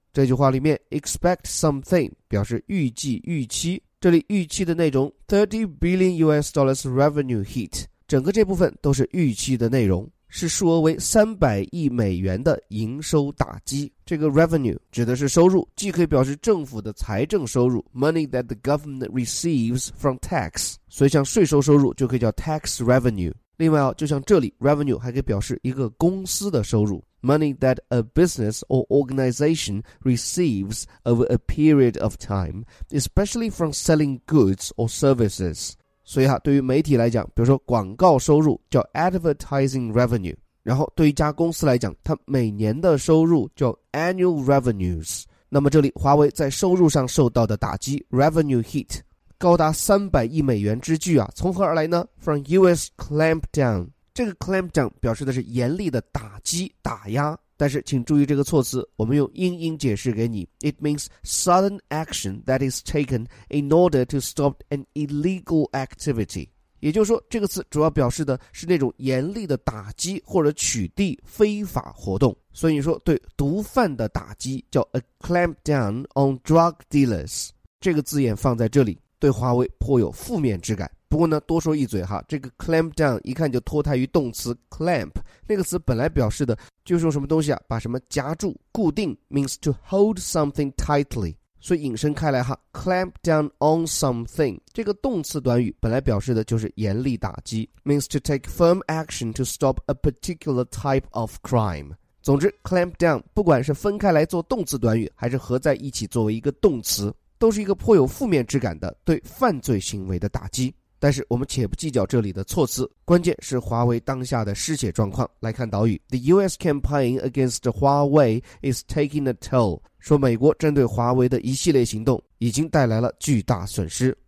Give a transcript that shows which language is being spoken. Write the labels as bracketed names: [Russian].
[Chinese] 这句话里面 expect something 表示预计预期，这里预期的内容 [English] $30 billion US dollars revenue hit， [Chinese] 整个这部分都是预期的内容，是数额为300亿美元的营收打击。这个 revenue 指的是收入，既可以表示政府的财政收入 [English] money that the government receives from tax， [Chinese] 所以像税收收入就可以叫 tax revenue。另外，就像这里 revenue 还可以表示一个公司的收入 [English] money that a business or organization receives over a period of time especially from selling goods or services。 [Chinese] 所以，对于媒体来讲，比如说广告收入叫 advertising revenue， 然后对于一家公司来讲，它每年的收入叫 annual revenues。那么这里华为在收入上受到的打击 revenue hit 高达300亿美元之巨啊，从何而来呢？ [English] from US clampdown， [Chinese] 这个 clampdown 表示的是严厉的打击打压，但是请注意这个措辞，我们用英音解释给你。 [English] It means sudden action that is taken in order to stop an illegal activity。 [Chinese] 也就是说，这个词主要表示的是那种严厉的打击或者取缔非法活动。所以你说对毒贩的打击叫 [English] a clampdown on drug dealers， [Chinese] 这个字眼放在这里对华为颇有负面之感。不过呢，多说一嘴哈，这个 clamp down 一看就脱胎于动词 clamp， 那个词本来表示的就是用什么东西啊，把什么夹住固定， [English] means to hold something tightly。 [Chinese] 所以引申开来哈， clamp down on something 这个动词短语本来表示的就是严厉打击， [English] means to take firm action to stop a particular type of crime。 [Chinese] 总之 clamp down 不管是分开来做动词短语，还是合在一起作为一个动词，都是一个颇有负面之感的对犯罪行为的打击。但是我们且不计较这里的措辞，关键是华为当下的失血状况。来看导语 [English] The US campaign against Huawei is taking a toll， [Chinese] 说美国针对华为的一系列行动已经带来了巨大损失。